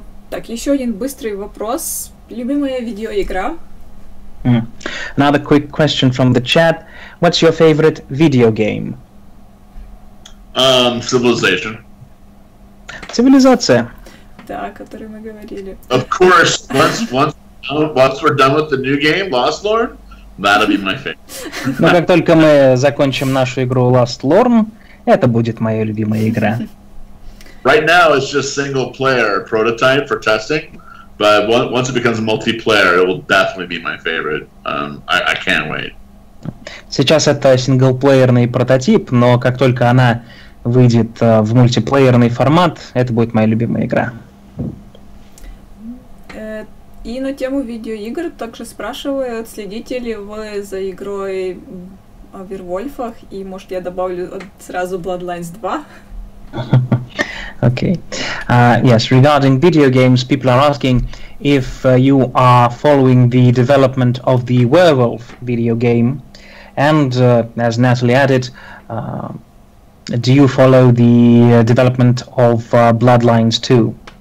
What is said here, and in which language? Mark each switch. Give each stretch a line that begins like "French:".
Russian: Так, еще один быстрый вопрос. Любимая видеоигра?
English: Another quick question from the chat. What's your favorite video game? Civilization.
Russian: Цивилизация. Да, о которой мы говорили.
English: Of course, once we're done with the new game, Lost Lord. That'll be my favorite.
Russian: Но как только мы закончим нашу игру Last Lorn, это будет моя любимая игра.
English: Right now it's just single player prototype for testing, but once it becomes multiplayer, it will definitely be my favorite. I can't wait.
Russian: Сейчас это синглплеерный прототип, но как только она выйдет в мультиплеерный формат, это будет моя любимая игра. И на тему видеоигр также спрашивают, следите ли вы за игрой о Вервольфах, и может я добавлю сразу Bloodlines 2?
English: Okay. Yes, regarding video games, people are asking if you are following the development of the Werewolf video game, and as Natalie added, do you follow the development of Bloodlines 2?